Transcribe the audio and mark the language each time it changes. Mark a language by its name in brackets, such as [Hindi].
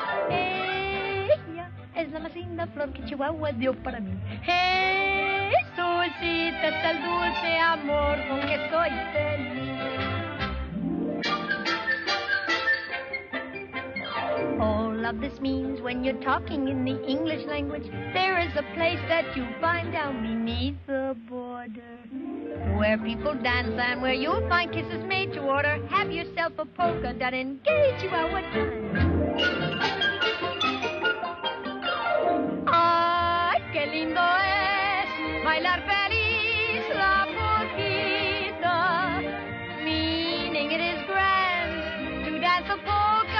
[Spanish] Ella es la más linda flor que Chihuahua dio para mí. Jesucita, es el dulce amor con que estoy feliz. [English] All of this means when you're talking in the English language, there is a place that you find down beneath the border, where people dance and where you'll find kisses made to order. Have yourself a polka that engage you our time. [Spanish] Ay, qué lindo es bailar feliz la polquita. [English] Meaning it is grand to dance a polka.